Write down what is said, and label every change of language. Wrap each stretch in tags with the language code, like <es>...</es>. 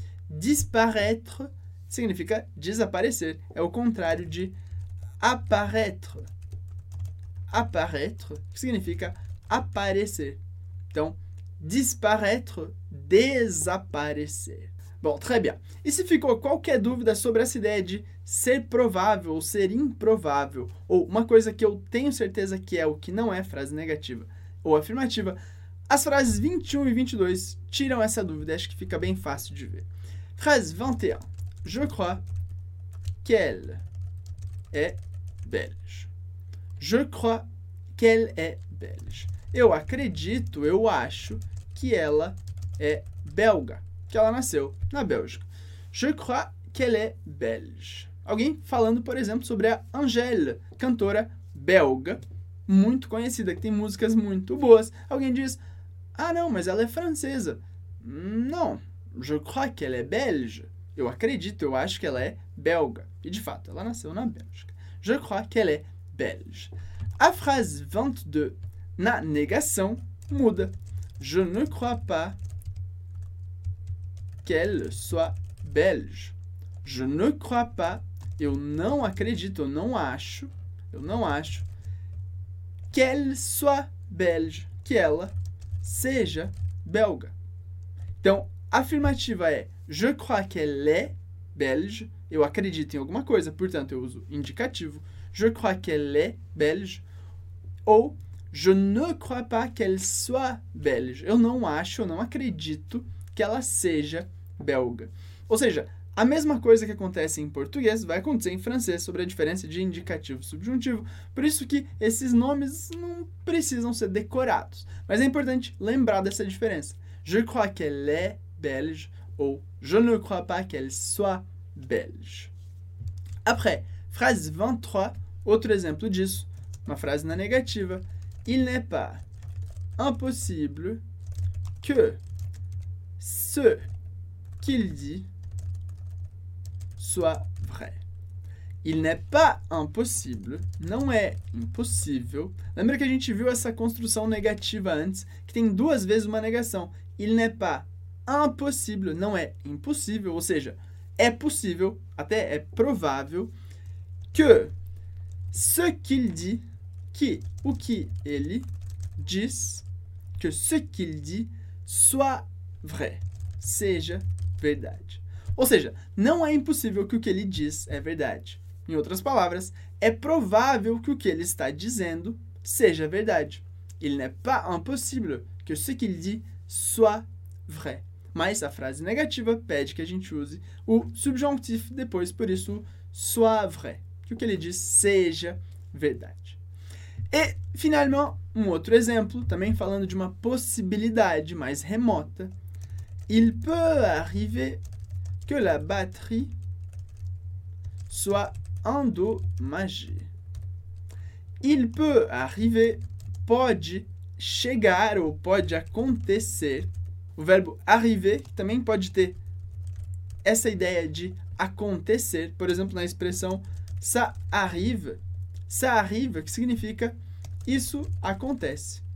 <pt>Disparaître significa desaparecer, é o contrário de</pt> <fr>apparaître. Apparaître</fr> <pt>significa</pt> <fr>apparaître. Donc, disparaître, désapparaître. Bon, très bien.</fr> <pt>Et si ficou qualquer dúvida sobre essa ideia de ser provável ou ser improvável, ou uma coisa que eu tenho certeza que é o que não é frase negativa ou afirmativa, as frases 21 e 22 tiram essa dúvida, acho que fica bem fácil de ver.</pt> <fr>Phrase 21. Je crois qu'elle est belge. Je crois qu'elle est belge.</fr> <pt>Eu acredito, eu acho que ela é belga. Que ela nasceu na Bélgica. Je crois qu'elle est belge. Alguém falando, por exemplo, sobre a Angèle, cantora belga, muito conhecida, que tem músicas muito boas. Alguém diz: ah, não, mas ela é francesa. Não,</pt> <fr>je crois qu'elle est belge.</fr> <pt>Eu acredito, eu acho que ela é belga. E de fato, ela nasceu na Bélgica.</pt> <fr>Je crois qu'elle est belge.</fr> <pt>A frase 22, na negação, muda.</pt> <fr>Je ne crois pas qu'elle soit belge. Je ne crois pas.</fr> <pt>Eu não acredito, eu não acho</pt> <fr>qu'elle soit belge.</fr> <pt>Que ela seja belga. Então, afirmativa é</pt> <fr>je crois qu'elle est belge.</fr> <pt>Eu acredito em alguma coisa, portanto, eu uso indicativo.</pt> <fr>Je crois qu'elle est belge. Ou je ne crois pas qu'elle soit belge.</fr> <pt>Eu não acho, eu não acredito que ela seja belga. Ou seja, a mesma coisa que acontece em português vai acontecer em francês sobre a diferença de indicativo e subjuntivo. Por isso que esses nomes não precisam ser decorados. Mas é importante lembrar dessa diferença.</pt> <fr>Je crois qu'elle est belge ou je ne crois pas qu'elle soit belge. Après, phrase</fr> <pt>23, outro exemplo disso, uma frase na negativa.</pt> <fr>Il n'est pas impossible que ce qu'il dit soit vrai. Il n'est pas impossible,</fr> <pt>não é impossível. Lembra que a gente viu essa construção negativa antes, que tem duas vezes uma negação.</pt> <fr>Il n'est pas impossible,</fr> <pt>não é impossível, ou seja, é possível, até é provável, que</pt> <fr>ce qu'il dit,</fr> <pt>que o que ele diz, que</pt> <fr>ce qu'il dit soit vrai,</fr> <pt>seja verdade. Ou seja, não é impossível que o que ele diz é verdade. Em outras palavras, é provável que o que ele está dizendo seja verdade.</pt> <fr>Il n'est pas impossible que ce qu'il dit soit vrai.</fr> <pt>Mas a frase negativa pede que a gente use o subjuntif depois, por isso,</pt> <fr>soit vrai.</fr> <pt>Que o que ele diz seja verdade. E, finalmente, um outro exemplo, também falando de uma possibilidade mais remota.</pt> <fr>Il peut arriver que la batterie soit endommagée. Il peut arriver,</fr> <pt>pode chegar ou pode acontecer. O verbo arriver também pode ter essa ideia de acontecer. Por exemplo, na expressão</pt> <fr>ça arrive. Ça arrive,</fr> <pt>que significa isso acontece.</pt>